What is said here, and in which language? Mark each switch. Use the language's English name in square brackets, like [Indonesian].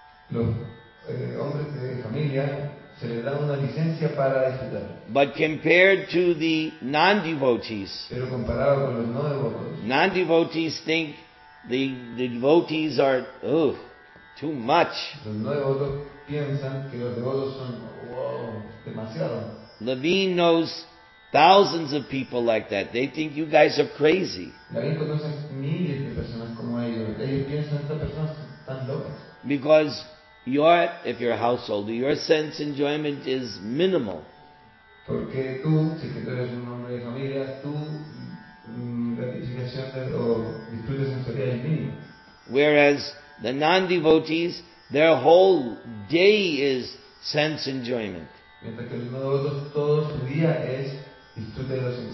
[Spanish] Los hombres de familia se les da una licencia para disfrutar. [English] But compared to the non-devotees, [Spanish] pero comparado con los no devotos, [English] non-devotees think the devotees are, ugh, too much. [Spanish] Los no devotos piensan que los devotos son, wow, demasiado. [English] Levine knows thousands of people like that. They think you guys are crazy. [Spanish] Levine conoce miles de personas como ellos. Ellos piensan estas personas tan locas. [English] Because your, if you're a householder, your sense enjoyment is minimal. [Spanish] Porque tú, si que tú eres un hombre de familia, tu gratificación o disfrute sensorial es mínimo. [English] Whereas the non-devotees, their whole day is sense enjoyment. [Spanish] Mientras que los no devotos, todo su día es disfrute de los sentidos.